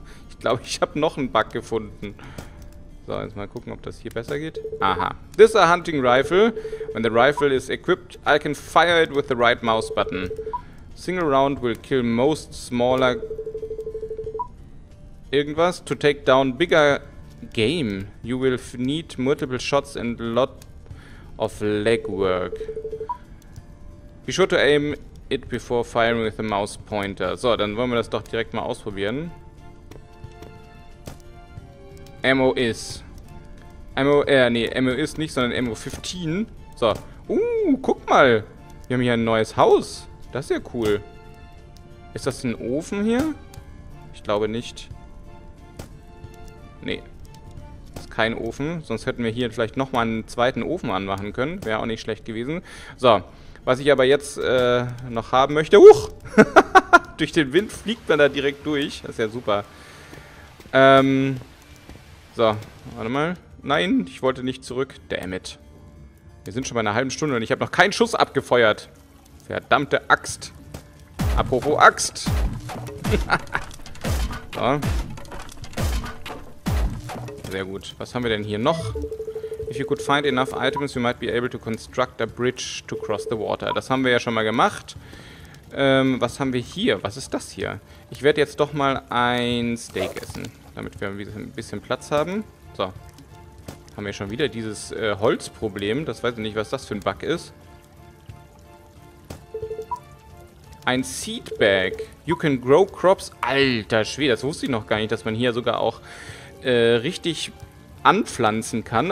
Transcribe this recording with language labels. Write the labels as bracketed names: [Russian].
[German] Ich glaube, ich habe noch einen Bug gefunden. So, jetzt mal gucken, ob das hier besser geht. [English] Aha. This is a hunting rifle. When the rifle is equipped, I can fire it with the right mouse button. Single round will kill most smaller [German] irgendwas. [English] To take down bigger game, you will need multiple shots and a lot of legwork. Be sure to aim it before firing with the mouse pointer. [German] So, dann wollen wir das doch direkt mal ausprobieren. Ammo is. Ammo is nicht, sondern Ammo 15. So. Guck mal. Wir haben hier ein neues Haus. Das ist ja cool. Ist das ein Ofen hier? Ich glaube nicht. Nee. Ist kein Ofen. Sonst hätten wir hier vielleicht nochmal einen zweiten Ofen anmachen können. Wäre auch nicht schlecht gewesen. So. Was ich aber jetzt noch haben möchte. Huch! Durch den Wind fliegt man da direkt durch. Das ist ja super. So. Warte mal. Nein, ich wollte nicht zurück. [English] Damn it. [German] Wir sind schon bei einer halben Stunde und ich habe noch keinen Schuss abgefeuert. Verdammte Axt. Apropos Axt. So. Sehr gut. Was haben wir denn hier noch? [English] If you could find enough items, you might be able to construct a bridge to cross the water. [German] Das haben wir ja schon mal gemacht. Was haben wir hier? Was ist das hier? Ich werde jetzt doch mal ein Steak essen, damit wir ein bisschen Platz haben. So. Haben wir schon wieder dieses Holzproblem. Das weiß ich nicht, was das für ein Bug ist. Ein Seedbag. [English] You can grow crops. [German] Alter Schwede, das wusste ich noch gar nicht, dass man hier sogar auch richtig anpflanzen kann.